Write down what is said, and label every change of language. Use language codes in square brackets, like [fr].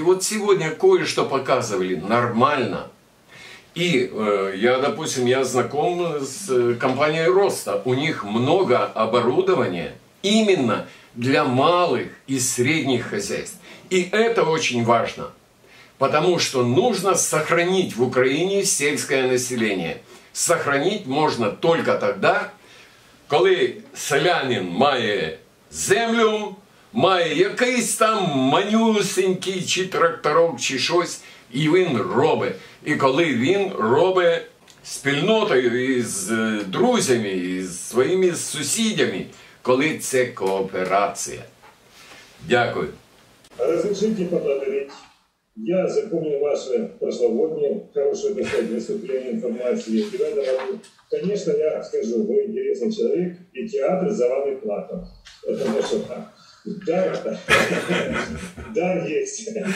[ru] Вот сегодня кое-что показывали нормально. И я, допустим, я знаком с компанией Роста. У них много оборудования именно для малых и средних хозяйств. И это очень важно, потому что нужно сохранить в Украине сельское население. Сохранить можно только тогда, [uk] коли селянин має землю, має якийсь там манюсенький, чи тракторок, чи щось, і він робить. І коли він робить спільнотою, із друзями, із своїми сусідями, коли це кооперація. Дякую. [ru] Разрешите поблагодарить. Я запомнил ваше прошлогоднее хорошее достаточное выступление информации. И рада вам. Конечно, я скажу, вы интересный человек, и театр за вами платит. Потому что дар, дар есть.